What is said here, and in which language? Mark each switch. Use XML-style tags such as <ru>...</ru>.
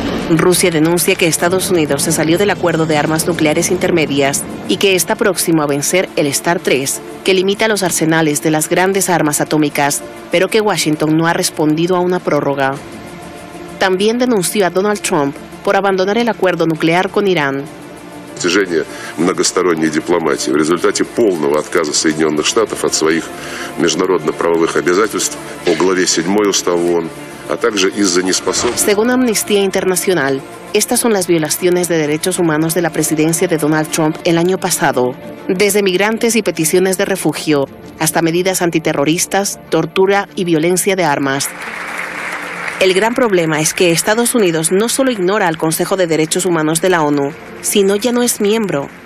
<es>Rusia denuncia que Estados Unidos se salió del acuerdo de armas nucleares intermedias y que está próximo a vencer el STAR 3, que limita los arsenales de las grandes armas atómicas, pero que Washington no ha respondido a una prórroga. También denunció a Donald Trump por abandonar el acuerdo nuclear con Irán.</es> <ru>достижения многосторонней дипломатии в результате полного отказа Соединенных Штатов от своих международно-правовых обязательств по главе 7 Устава ООН, а также из-за неспособности...</ru> <es>Según Amnistía Internacional, estas son las violaciones de derechos humanos de la presidencia de Donald Trump el año pasado. Desde migrantes y peticiones de refugio, hasta medidas antiterroristas, tortura y violencia de armas. El gran problema es que Estados Unidos no solo ignora al Consejo de Derechos Humanos de la ONU, sino ya no es miembro.</es>